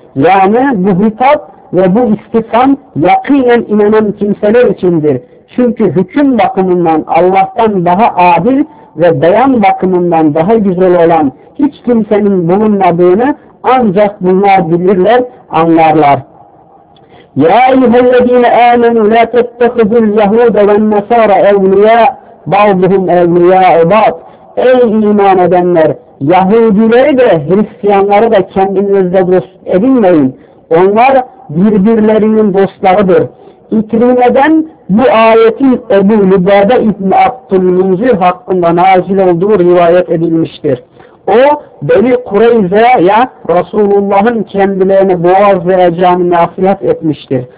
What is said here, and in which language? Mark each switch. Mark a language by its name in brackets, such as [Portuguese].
[Turkish] Yani bu hitap ve bu istikam yakinen inanan kimseler içindir. Çünkü hüküm bakımından Allah'tan daha adil ve beyan bakımından daha güzel olan hiç kimsenin bulunmadığını ancak bunlar bilirler, anlarlar. [Arabic] يَا اَيُّهَا الَّذ۪ينَ اَامَنُوا لَا تَتَّخِذُوا الْيَهُودَ وَالنَّسَارَ اَوْلِيَاءَ بَعْضُهُمْ اَوْلِيَاءُ بَعْضٍ [Turkish] Ey iman edenler! Yahudileri de Hristiyanları da kendinizde dost edinmeyin. Onlar birbirlerinin dostlarıdır. İkrimeden bu ayetin Ebu Lübade İbni Abdülmünzir hakkında nazil olduğu rivayet edilmiştir. O, Beni Kureyze'ye Resulullah'ın kendilerini boğazlayacağını nasihat etmiştir.